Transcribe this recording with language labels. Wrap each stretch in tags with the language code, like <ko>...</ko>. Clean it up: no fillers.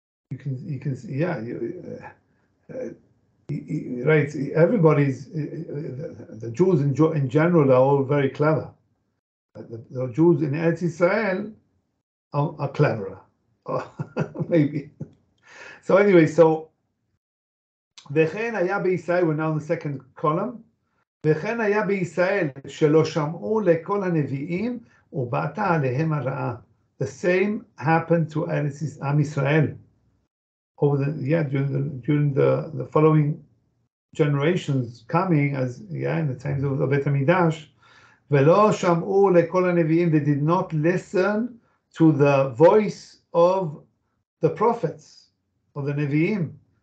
<en>You can, yeah. Right, everybody's, the Jews in general are all very clever. The Jews in Eretz Israel are cleverer, maybe.</en> <he>So anyway, so, וכן היה בישראל, we're now in the second column, וכן היה בישראל שלא שמעו לכל הנביאים ובאת עליהם הרעה.</he> <en>The same happened to Am Israel. Over the, yeah, during the following generations coming, as yeah, in the times of Bet HaMidash, ולא שמעו לכל הנביאים, they did not listen to the voice of the prophets, of the נביאים.</en>